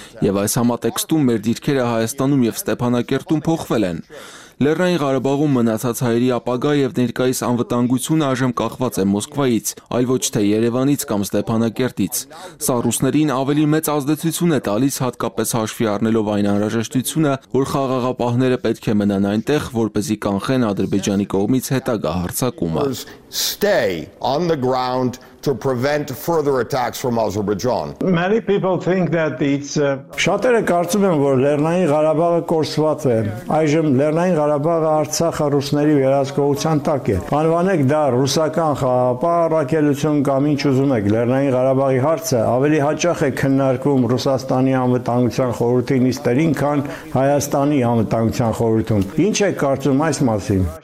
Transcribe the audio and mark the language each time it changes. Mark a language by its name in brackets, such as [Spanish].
[Armenian] Եվ այս համատեքստում մեր դիրքերը Հայաստանում եւ Ստեփանակերտում փոխվել են։ Լեռնային Ղարաբաղում մնացած հայերի ապագա եւ ներկայիս անվտանգությունը այժմ կախված է Մոսկվայից, այլ ոչ թե Երևանից կամ Ստեփանակերտից։ Սա ռուսներին ավելի մեծ ազդեցություն է տալիս, հատկապես հաշվի առնելով այն անհրաժեշտությունը, որ խաղաղապահները պետք է մնան այնտեղ, որպեսզի կանխեն Ադրբեջանի կողմից հետագա հարձակումը։ [English] Stay on the ground to prevent further attacks from Azerbaijan. Many people think that it's [Armenian] Շատերը կարծում են, որ Լեռնային Ղարաբաղը կորսված է։ Այժմ Լեռնային Ղարաբաղը Արցախը ռուսների վերահսկողության տակ է։ Անվանեք դա ռուսական խաղապահ առաքելություն կամ ինչ ուզում եք, Լեռնային Ղարաբաղի հարցը ավելի հաճախ է քննարկվում Ռուսաստանի անվտանգության խորհրդի նիստերին, քան Հայաստանի անվտանգության խորհրդում։ Ինչ եք կարծում այս մասին?